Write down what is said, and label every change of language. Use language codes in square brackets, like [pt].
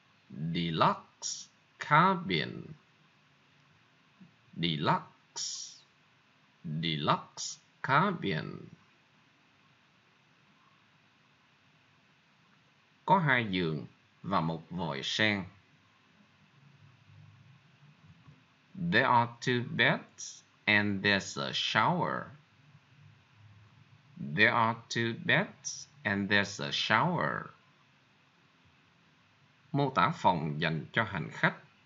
[en] Deluxe cabin. Deluxe. Deluxe cabin. [vi] Có hai giường và một vòi sen. [en] There are two beds and there's a shower. There are two beds and there's a shower. [vi] Mô tả phòng dành cho hành khách.